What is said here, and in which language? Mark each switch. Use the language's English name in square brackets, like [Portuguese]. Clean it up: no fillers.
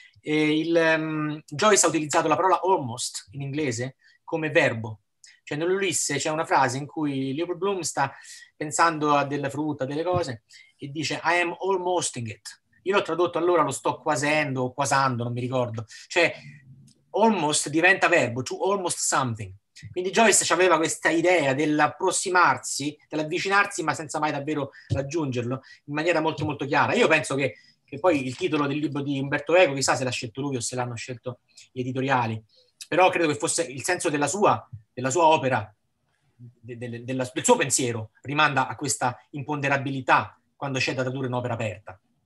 [Italian] Joyce ha utilizzato la parola almost in inglese come verbo. Cioè, nell'Ulisse c'è una frase in cui Leopold Bloom sta pensando a della frutta, delle cose, e dice: [English] I am almosting it. [Italian] Io l'ho tradotto allora, lo sto quasendo o quasando, non mi ricordo. Cioè, almost diventa verbo, [English] to almost something. [Italian] Quindi Joyce aveva questa idea dell'approssimarsi, dell'avvicinarsi, ma senza mai davvero raggiungerlo, in maniera molto molto chiara. Io penso che poi il titolo del libro di Umberto Eco, chissà se l'ha scelto lui o se l'hanno scelto gli editoriali, però credo che fosse il senso della sua opera, del suo pensiero, rimanda a questa imponderabilità quando c'è da tradurre un'opera aperta.